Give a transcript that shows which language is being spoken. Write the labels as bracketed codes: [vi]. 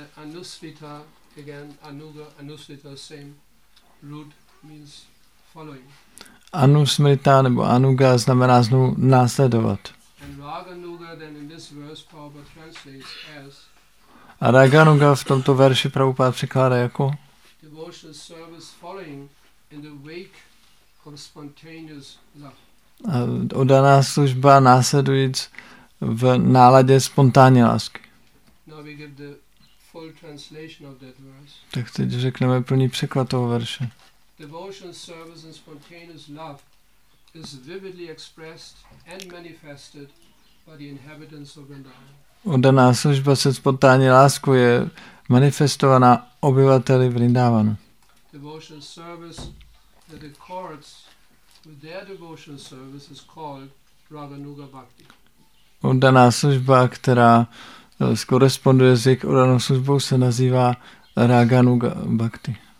[en] Anusrita, again, anuga, anusrita, same root means following. [cs] Anusmrita nebo anuga znamená znovu následovat. [en] And Raganuga then in this verse Prabhupada translates as. [cs] A Raganuga v tomto verši Prabhupada překládá jako [en] devotional service following in the wake of spontaneous love. [cs] A oddaná služba následujíc v náladě spontánní lásky. [en] Now we get the full translation of that verse. [cs] Tak teď řekneme plný překlad toho verše. [en] Devotion, service and spontaneous love is vividly expressed and manifested by the inhabitants of Vrindavan. [cs] Oddaná služba se spontánní láskou je manifestovaná obyvateli Vrindavanu. [en] Devotion, service that accords with their devotional service is called Raganuga Bhakti. [cs] Oddaná služba, která skoresponduje s jejich oddanou službou, se nazývá Raganuga Bhakti.